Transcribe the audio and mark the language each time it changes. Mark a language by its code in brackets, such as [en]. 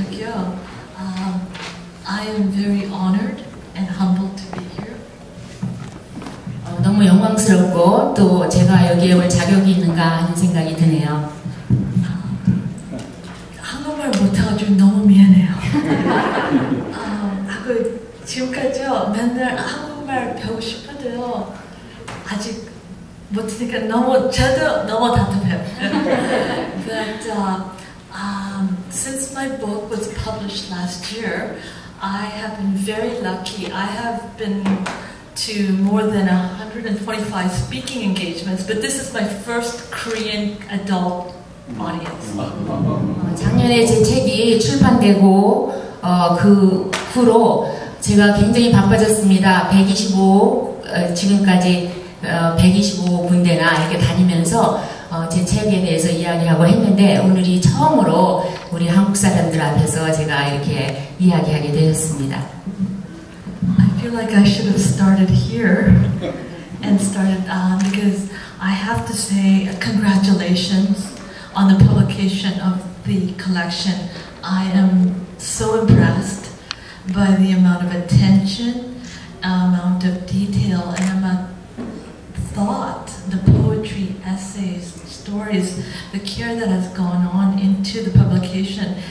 [en] am very honored and humbled to be here. [ko] 너무 영광스럽고 또 제가 여기에 올 자격이 있는가 하는 생각이 드네요. 한국말 못하고 좀 너무 미안해요. 그 지금까지요 맨날 한국말 배우고 싶어도요 아직 못하니까 너무 저도 너무 답답해요. [en] But since my book was published last year, I have been very lucky. I have been to more than 125 speaking engagements, but this is my first Korean adult audience. [ko] 작년에 제 책이 출판되고 그 후로 제가 굉장히 바빠졌습니다. 125 지금까지 125 군데나 이렇게 다니면서 제 책에 대해서 이야기하고 했는데 오늘이 처음으로 우리 한국 사람들 앞에서 제가 이렇게 이야기하게 되었습니다. [en] I feel like I should have started here and started because I have to say congratulations on the publication of the collection. I am so impressed by the amount of attention, amount of detail, and amount of thought, the poetry, essays, stories, the care that has gone on into the publication.